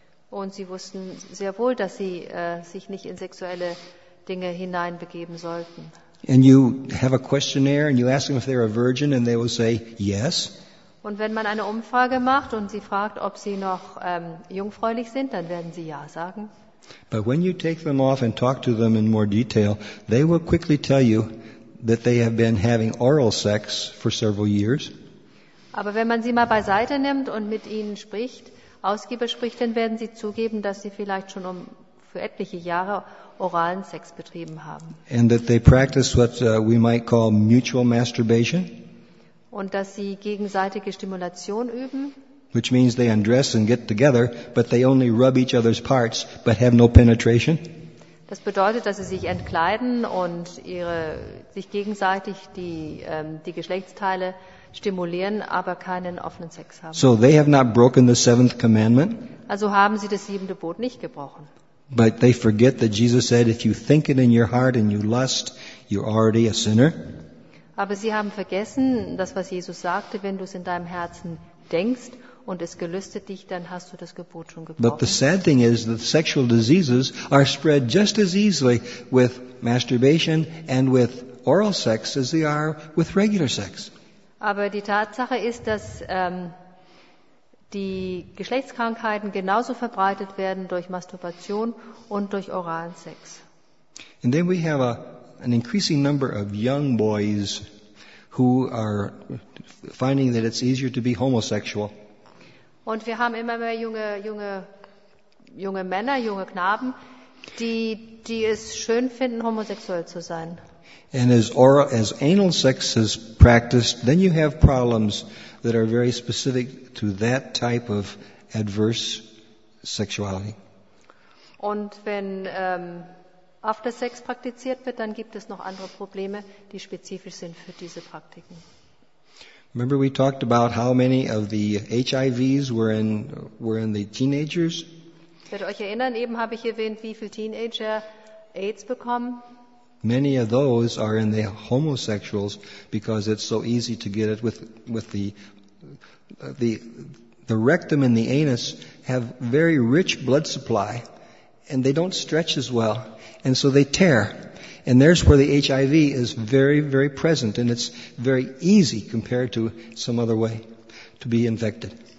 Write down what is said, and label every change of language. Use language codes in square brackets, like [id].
[de] Und sie wussten sehr wohl, dass sie sich nicht in sexuelle Dinge hineinbegeben sollten. [en] And you have a questionnaire and you ask them if they're a virgin and they will say yes. [de] Und wenn man eine Umfrage macht und sie fragt, ob sie noch jungfräulich sind, dann werden sie ja sagen. [en] But when you take them off and talk to them in more detail, they will quickly tell you that they have been having oral sex for several years. [de] Aber wenn man sie mal beiseite nimmt und mit ihnen spricht, ausgiebig spricht, dann werden sie zugeben, dass sie vielleicht schon für etliche Jahre oralen Sex betrieben haben. [en] And that they practice what we might call mutual masturbation. [de] Und dass sie gegenseitige Stimulation üben. [en] Which means they undress and get together, but they only rub each other's parts, but have no penetration. [de] Das bedeutet, dass sie sich entkleiden und sich gegenseitig die Geschlechtsteile stimulieren, aber keinen offenen Sex haben. [en] So they have not broken the seventh commandment. [de] Also haben sie das siebte Gebot nicht gebrochen. [en] But they forget that Jesus said, if you think it in your heart and you lust, you're already a sinner. [de] Aber sie haben vergessen, das, was Jesus sagte, wenn du es in deinem Herzen denkst und es gelüstet dich, dann hast du das Gebot schon gebrochen. [en] But the sad thing is that sexual diseases are spread just as easily with masturbation and with oral sex as they are with regular sex. [de] Aber die Tatsache ist, dass die Geschlechtskrankheiten genauso verbreitet werden durch Masturbation und durch oralen Sex. [en] And then we have an increasing number of young boys who are finding that it's easier to be homosexual. [de] Und wir haben immer mehr junge Männer, junge Knaben, die es schön finden, homosexuell zu sein. [en] And as anal sex is practiced, then you have problems that are very specific to that type of adverse sexuality. [de] Und wenn After Sex praktiziert wird, dann gibt es noch andere Probleme, die spezifisch sind für diese Praktiken. [en] Remember we talked about how many of the HIVs were in the teenagers? [de] Wird euch erinnern, eben habe ich erwähnt, wie viele Teenager AIDS bekommen. [en] Many of those are in the homosexuals because it's so easy to get it with the rectum and the anus have very rich blood supply and they don't stretch as well and so they tear. And there's where the HIV is very, very present and it's very easy compared to some other way to be infected.